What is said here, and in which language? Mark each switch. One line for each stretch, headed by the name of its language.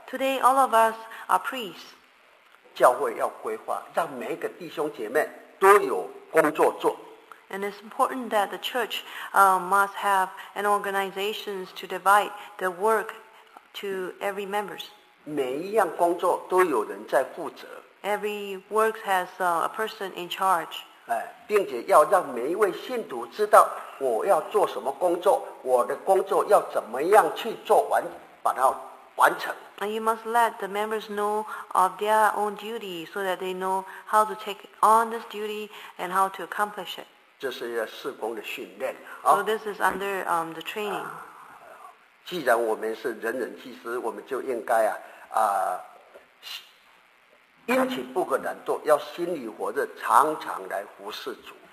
English: Today all of us are priests.
Chinese: 教会要规划，让每一个弟兄姐妹都有工作做。
English: And it's important that the church must have an organization to divide the work to every members.
Chinese: 每一样工作都有人在负责。
English: Every work has a person in charge.
Chinese: 并且要让每一位信徒知道我要做什么工作，我的工作要怎么样去做完，把它完成。
English: And you must let the members know of their own duty so that they know how to take on this duty and how to accomplish it.
Chinese: 这是事工的训练。
English: So this is under the training.
Chinese: 既然我们是人人祭司，我们就应该殷勤不可懒惰，要心里活着，常常来服侍主。